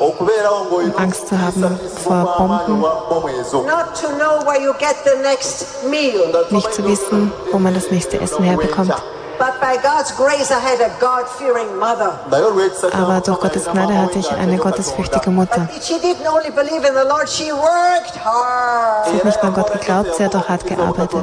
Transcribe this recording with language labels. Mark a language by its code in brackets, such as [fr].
[de] Und Angst zu haben vor Bomben. [en] Not to know where you get the next meal. [de] Nicht zu wissen, wo man das nächste Essen herbekommt. [en] But by God's grace, I had a God-fearing mother. [de] Aber durch Gottes Gnade hatte ich eine gottesfürchtige Mutter. [en] She didn't only believe in the Lord, she worked hard. [de] Sie hat nicht nur an Gott geglaubt, sie hat auch hart gearbeitet.